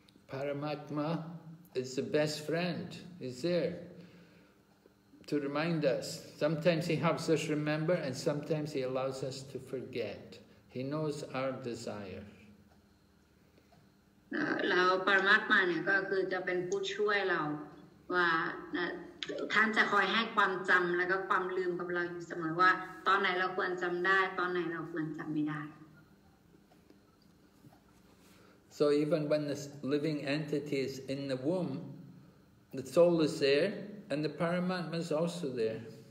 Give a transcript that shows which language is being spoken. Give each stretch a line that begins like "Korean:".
English: ปรมัตถ์มา is the best friend is there to remind us sometimes he helps us remember and sometimes he allows us to forget he knows our desire.
Thai: แล้วปรมัตถ์มาเนี่ยก็คือจะเป็นผู้ช่วยเราว่าท่านจะคอยให้ความจำแล้วก็ความลืมกับเราอยู่เสมอว่าตอนไหนเราควรจำได้ตอนไหนเราควรจำไม่ได้
English: so even when the living entity is in the womb the soul is there and the paramatma is also there